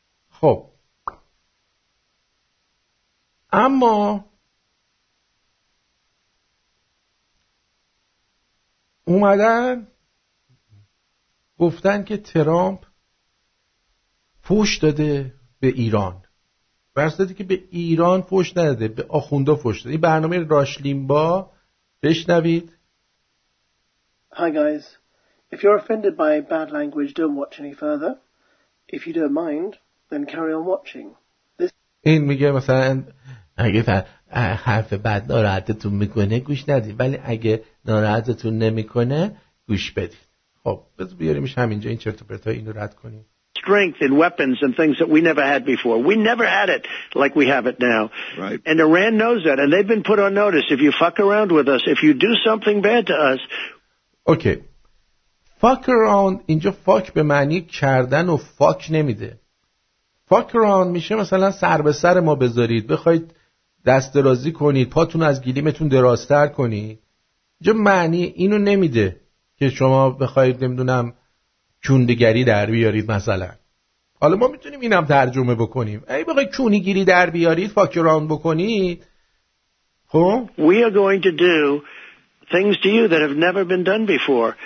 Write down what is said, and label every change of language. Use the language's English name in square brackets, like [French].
[Persian] خب اما اومدن گفتن که ترامپ فوش داده به ایران، برسته که به ایران فوش نداده، به آخوندا فوش داده. این برنامه راش لیمبا، بشنوید. [English] Hi guys, if you're offended by bad language, don't watch any further. If you don't mind, then carry on watching. [Persian] این میگه مثلا اگه حرف بد ناراحتتون میکنه گوش ندید، ولی اگه ناراحتتون نمیکنه گوش بدید. خب بذار بیاریمش همینجا، این چرت و پرتا اینو رد کنیم. [English] Strength in weapons and things that we never had before. We never had it like we have it now. Right. And Iran knows that, and they've been put on notice. If you fuck around with us, if you do something bad to us. Okay. Fuck around. [Persian] اینجا fuck به معنی کردن و fuck نمیده. [English] Fuck around [Persian] میشه مثلا سر به سر ما بذارید، بخواید دست درازی کنید، پاتون از گلیمتون درازتر کنید. اینجا معنی اینو نمیده که شما بخواید نمیدونم چوندگری در بیارید مثلا. حالا ما میتونیم اینم ترجمه بکنیم. ای بخواید چونیگیری در بیارید، فاکران بکنید. خب؟ [English] We are going to do things to you that have never been done before.